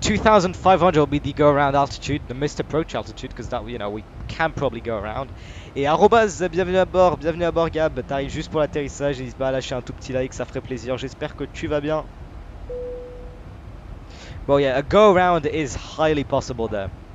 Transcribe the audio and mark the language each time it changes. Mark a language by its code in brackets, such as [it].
[en] 2,500 will be the go-around altitude, the missed approach altitude, because that, you know, we can probably go around. [fr] Et arrobas, bienvenue à bord, Gab. T'arrives juste pour l'atterrissage, n'hésite pas à lâcher un tout petit like, ça ferait plaisir. J'espère que tu vas bien. [en] Well, yeah, a go-around is highly possible there.